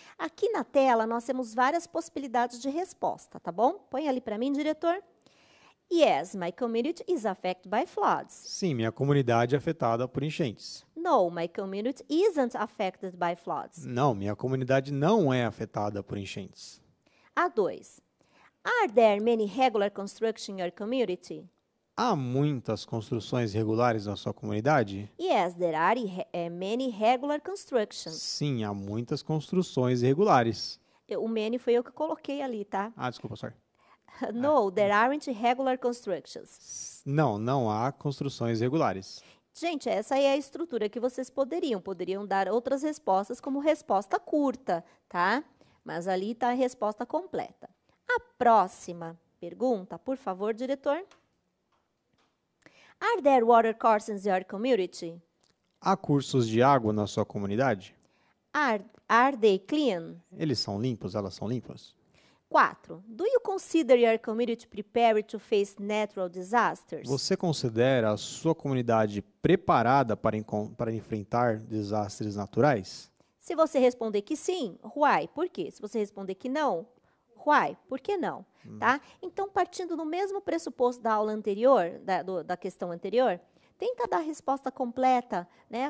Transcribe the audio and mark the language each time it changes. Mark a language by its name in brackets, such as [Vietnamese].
[Portuguese] Aqui na tela, nós temos várias possibilidades de resposta, tá bom? Põe ali para mim, diretor. [English] Yes, my community is affected by floods. [Portuguese] Sim, minha comunidade é afetada por enchentes. [English] No, my community isn't affected by floods. [Portuguese] Não, minha comunidade não é afetada por enchentes. A 2. [English] Are there many regular constructions in your community? [Portuguese] Há muitas construções regulares na sua comunidade? [English] Yes, there are many regular constructions. [Portuguese] Sim, há muitas construções irregulares. O many foi eu que coloquei ali, tá? Ah, desculpa, sorry. [English] No, there aren't regular constructions. [Portuguese] Não, não há construções regulares. Gente, essa aí é a estrutura que vocês poderiam. Poderiam dar outras respostas como resposta curta, tá? Mas ali está a resposta completa. A próxima pergunta, por favor, diretor. [English] Are there water courses in your community? [Portuguese] Há cursos de água na sua comunidade? [English] Are they clean? [Portuguese] Eles são limpos, elas são limpas? 4. [English] Do you consider your community prepared to face natural disasters? [Portuguese] Você considera a sua comunidade preparada para enfrentar desastres naturais? Se você responder que sim, why? Por quê? Se você responder que não, why? Por que não? Tá? Então, partindo do mesmo pressuposto da aula anterior, da questão anterior, tenta dar a resposta completa, né?